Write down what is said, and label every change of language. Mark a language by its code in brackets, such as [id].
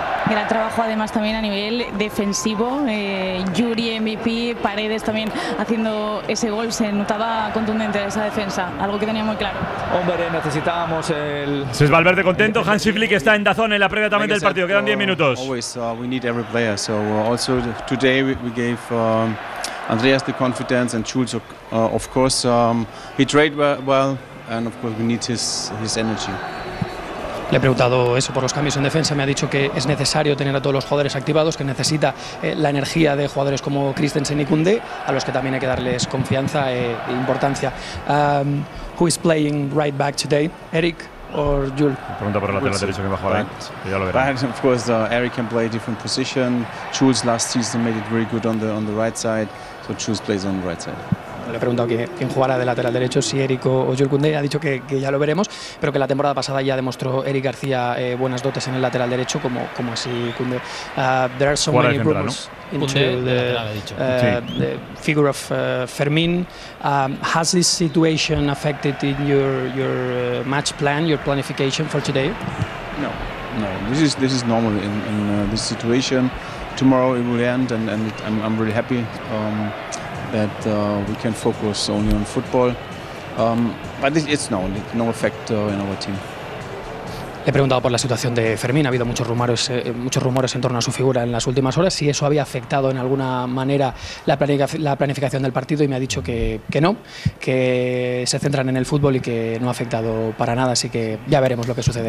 [es] Gran trabajo además también a nivel defensivo, Yuri MVP, Paredes también haciendo ese gol, se notaba contundente esa defensa, algo que tenía muy claro. Hombre, necesitábamos el… Se es Valverde contento, Hansi Flick está en Dazón en la previa también del partido, quedan 10 minutos. [en] We need every player, so also today we gave Andreas the confidence and Schulz, of course, he trained well and of course we need his energy. [es] Le he preguntado eso por los cambios en defensa, me ha dicho que es necesario tener a todos los jugadores activados, que necesita la energía de jugadores como Christensen y Koundé, a los que también hay que darles confianza e importancia. [en] Who is playing right back today, Eric? or Jul? [es] Pregunta por el lateral derecho que va a jugar. Ya lo verán. [en] Of course, Eric can play a different position. Jules last season made it very good on the right side, so Jules plays on the right side. [es] Le he preguntado quién jugará de lateral derecho, si Eric o Jules Koundé. Ha dicho que ya lo veremos, pero que la temporada pasada ya demostró Eric García buenas dotes en el lateral derecho, como así Koundé. [en] There are so many rumors, ¿no? Into Koundé, the figure of Fermín. Has this situation affected in your match plan, your planification for today? No. This is normal in this situation. Tomorrow it will end, and I'm really happy. That we can focus only on football, but it's no effect in our team. [es] Le he preguntado por la situación de Fermín. Ha habido muchos rumores en torno a su figura en las últimas horas. Si eso había afectado en alguna manera la planificación del partido, y me ha dicho que no, que se centran en el fútbol y que no ha afectado para nada. Así que ya veremos lo que sucede.